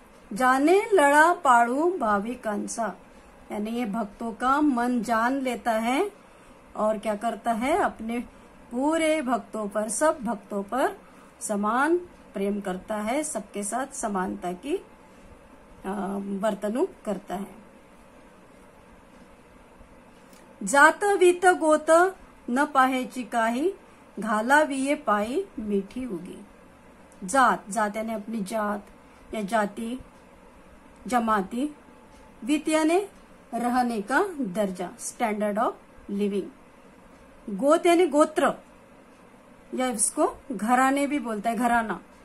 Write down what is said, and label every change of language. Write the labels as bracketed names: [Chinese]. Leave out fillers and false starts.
[Marathi] जाने लड़ा पाळु भाविकांचा [Hindi] यानी ये भक्तों का मन जान लेता है और क्या करता है, अपने पूरे भक्तों पर, सब भक्तों पर समान प्रेम करता है, सबके साथ समानता की वर्तनुक करता है। [Marathi] जात वित गोत न पाहेची काही, घालावीये पाई मीठी उगी। [Hindi] जात जात यानी अपनी जात या जाति जमाती, वित यानी रहने का दर्जा, स्टैंडर्ड ऑफ लिविंग, गोत यानी गोत्र या इसको घराने भी बोलता है, घराना।